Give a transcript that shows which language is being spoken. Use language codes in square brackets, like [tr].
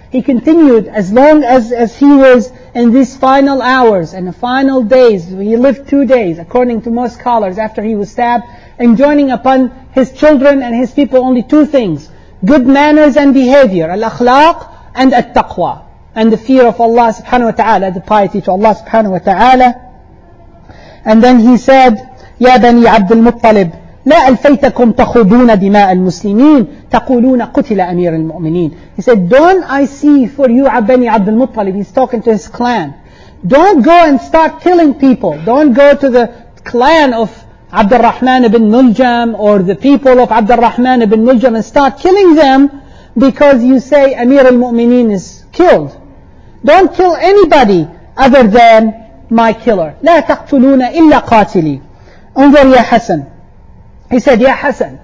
[en] He continued as long as he was in these final hours and the final days. He lived 2 days, according to most scholars, after he was stabbed, enjoining upon his children and his people only two things, good manners and behavior, al-akhlaq and al-taqwa. And the fear of Allah subhanahu wa ta'ala, the piety to Allah subhanahu wa ta'ala. And then he said, [ar] يَا بَنِي عَبْدُ الْمُطَّلِبِ لَا أَلْفَيْتَكُمْ تَخُضُونَ دِمَاءَ الْمُسْلِمِينَ تَقُولُونَ قُتِلَ أَمِيرَ الْمُؤْمِنِينَ. [en] He said, don't I see for you, [ar] يَا بَنِي عَبْدُ الْمُطَّلِبِ. [en] He's talking to his clan. Don't go and start killing people. Don't go to the clan of عبد الرحمن بن ملجم or the people of عبد الرحمن بن ملجم and start killing them because you say أمير المؤمنين is killed. Don't kill anybody other than my killer. [ar] لا تقتلون إلا قاتلي. انظر يا حسن. [en] He said, Ya Hassan.